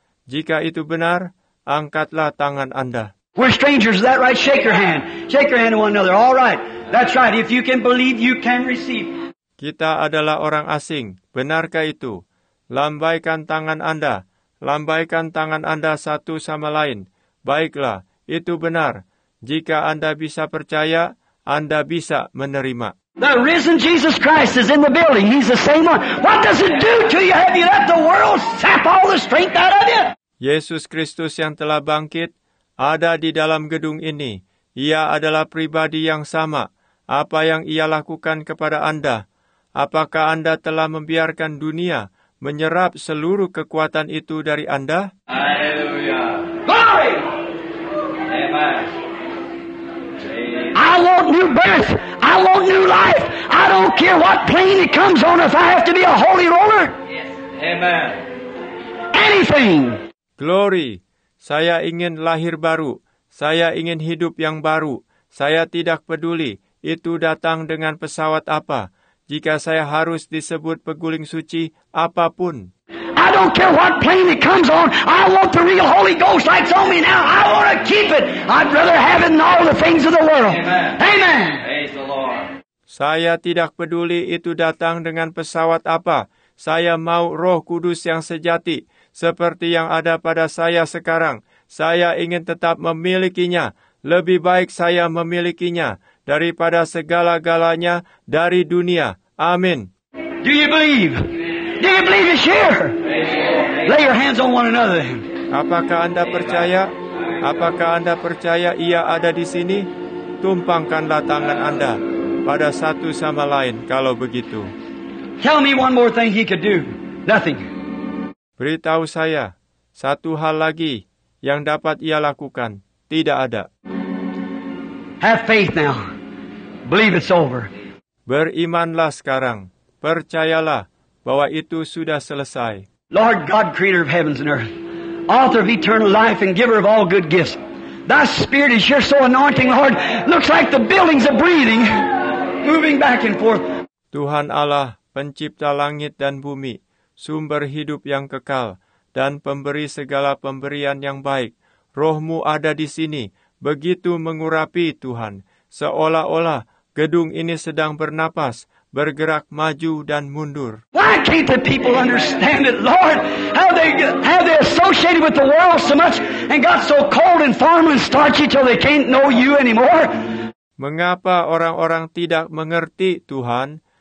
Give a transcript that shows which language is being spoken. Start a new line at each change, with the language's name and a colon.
Indonesian: Jika itu benar, angkatlah tangan Anda.
English: We're strangers, is that right? Shake your hand. Shake your hand to one another. All right. That's right. If you can believe, you can receive.
Indonesian: Kita adalah orang asing. Benarkah itu? Lambaikan tangan Anda. Lambaikan tangan Anda satu sama lain. Baiklah, itu benar. Jika Anda bisa percaya, Anda bisa menerima.
English: The risen Jesus Christ is in the building. He's the same one. What does it do to you? Have you let the world sap all the strength out of you?
Indonesian: Yesus Kristus yang telah bangkit ada di dalam gedung ini. Ia adalah pribadi yang sama. Apa yang ia lakukan kepada Anda? Apakah Anda telah membiarkan dunia menyerap seluruh kekuatan itu dari Anda? Haleluya.
English: Glory! Amen. I want new birth. I want new life. I don't care what plane it comes on if I have to be a holy roller. Yes. Amen. Anything.
Indonesian: Glory. Saya ingin lahir baru. Saya ingin hidup yang baru. Saya tidak peduli itu datang dengan pesawat apa. Jika saya harus disebut peguling suci, apapun.
English: I don't care what plane it comes on. I want the real Holy Ghost that's on me now. I want to keep it. I'd rather have it than all the things of the world. Amen. Amen. Praise the Lord.
Indonesian: Saya tidak peduli itu datang dengan pesawat apa. Saya mau Roh Kudus yang sejati. Seperti yang ada pada saya sekarang. Saya ingin tetap memilikinya. Lebih baik saya memilikinya daripada segala-galanya dari dunia. Amin.
English: Do you believe? Do you believe it's here? Lay your hands on one another.
Indonesian: Apakah Anda percaya? Apakah Anda percaya ia ada di sini? Tumpangkanlah tangan Anda pada satu sama lain kalau begitu.
English: Tell me one more thing he could do. Nothing.
Indonesian: Beritahu saya, satu hal lagi yang dapat ia lakukan, tidak ada.
English: Have faith now. Believe it's over.
Indonesian: Berimanlah sekarang. Percayalah bahwa itu sudah selesai.
English: Lord God, creator of heavens and earth, author of eternal life and giver of all good gifts, thy spirit is your so anointing, Lord, looks like the buildings are breathing, moving back and forth.
Indonesian: Tuhan Allah, pencipta langit dan bumi, sumber hidup yang kekal dan pemberi segala pemberian yang baik. Roh-Mu ada di sini, begitu mengurapi Tuhan, seolah-olah gedung ini sedang bernapas, bergerak maju dan mundur.
English: Why can't the people understand it, Lord? How they associated with the world so much and got so cold and formal and starchy till they can't know you anymore?
Indonesian: Mengapa orang-orang tidak mengerti Tuhan?